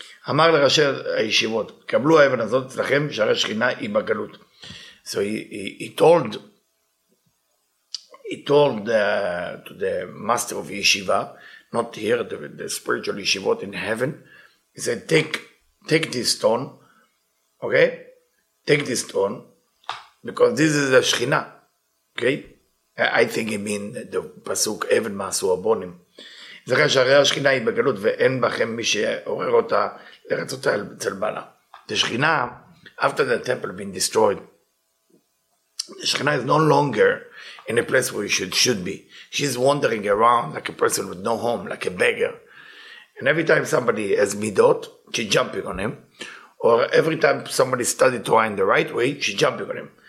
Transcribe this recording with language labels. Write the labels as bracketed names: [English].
[Hebrew] אמר לראשי הישיבות, קבלו האבן הזאת אצלכם, שהרי שכינה היא בגלות. [English] So he told told to the master of yeshiva, not here, the spiritual yeshivot in heaven, he said, take this stone, okay? Take this stone, because this is a Shekhinah, okay? I think he mean the pasuk, [Hebrew] Evan Masu Abonim. זכר שהרי השכינה היא בגלות ואין בכם מי שעורר אותה לרצות אותה אצל בעלה. [English] השכינה, after the temple been destroyed, השכינה is no longer in a place where she should be. She's wandering around like a person with no home, like a beggar. And every time somebody has midot, she's jumping on him. Or every time somebody studied Torah in the right way, she's jumping on him.